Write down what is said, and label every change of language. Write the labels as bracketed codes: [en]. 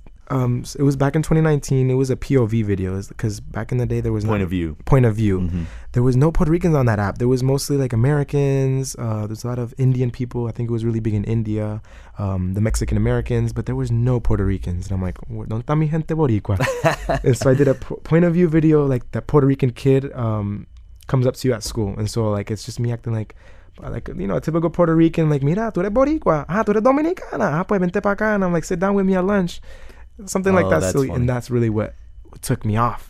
[en] It was back in 2019. It was a POV video because back in the day, there was point of view. Mm-hmm. There was no Puerto Ricans on that app. There was mostly like Americans. There's a lot of Indian people. I think it was really big in India, the Mexican Americans, but there was no Puerto Ricans. And I'm like, [es] ¿dónde está mi gente boricua? [en] And so I did a point of view video, like that Puerto Rican kid, comes up to you at school, and so like it's just me acting like you know, a typical Puerto Rican, like, [es] mira, tú eres boricua, ah, tú eres dominicana, ah, pues vente para acá, [en] and I'm like, sit down with me at lunch, something like that. So, and that's really what took me off.